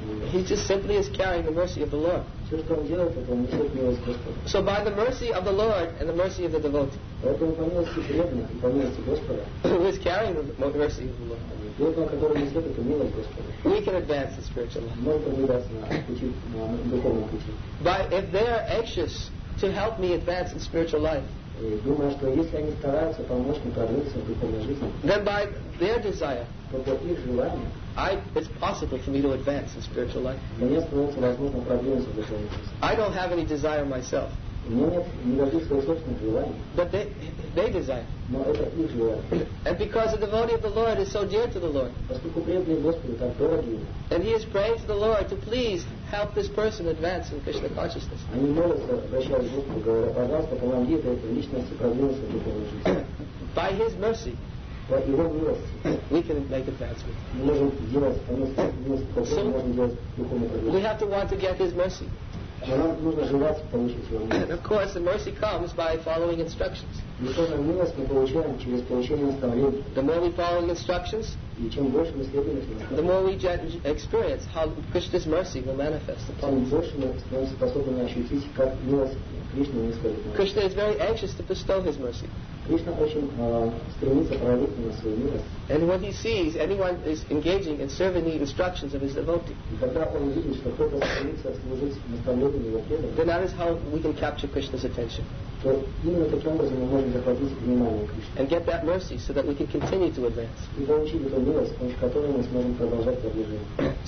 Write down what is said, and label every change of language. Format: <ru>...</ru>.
<en>He just simply is carrying the mercy of the Lord. So by the mercy of the Lord and the mercy of the devotee, who is carrying the mercy of the Lord, we can advance the spiritual life. But if they are anxious to help me advance in spiritual life,</en> <ru>думаю, что если они стараются помочь мне продвинуться в духовной жизни,</ru> <en>then by their desire,</en> <ru>то по их желанию,</ru> <en>it's possible for me to advance in spiritual life.</en> <ru>Мне становится возможно продвинуться в духовной жизни.</ru> <en>I don't have any desire myself.</en> <ru>У меня нет никаких своих собственных желаний.</ru> <en>But they desire.</en> <ru>Но это их желание.</ru> <en>And because the devotee of the Lord is so dear to the Lord,</en> <ru>поскольку преданный Господу так дорог ему,</ru> <en>and he is praying to the Lord to please help this person advance in Krishna consciousness.</en> <ru>Они молятся, обращаясь к Господу, говоря, пожалуйста, помоги этой личности продвинуться в духовной жизни.</ru> <en>By his mercy, by</en> <ru>его милости,</ru> <en>we can make advancement.</en> <ru>Мы можем делать, потому что мы можем делать духовный прогресс.</ru> <en>We have to want to get his mercy.</en> <ru>Но нам нужно желать получить его милость.</ru> <en>Of course, the mercy comes by following instructions.</en> <ru>И тоже милость мы получаем через получение наставлений.</ru> <en>The more we follow instructions,</en> <ru>и чем больше мы следуем наставлениям,</ru> <en>the more we experience how Krishna's mercy will manifest.</en> <ru>Тем больше мы становимся способны ощутить, как милость Кришны нисходит.</ru> <en>Krishna is very anxious to bestow his mercy.</en> <ru>Кришна очень стремится проявить на нас свою милость.</ru> <en>And when he sees anyone is engaging in serving the instructions of his devotee, then that is how we can capture Krishna's attention. And get that mercy so that we can continue to advance.</en>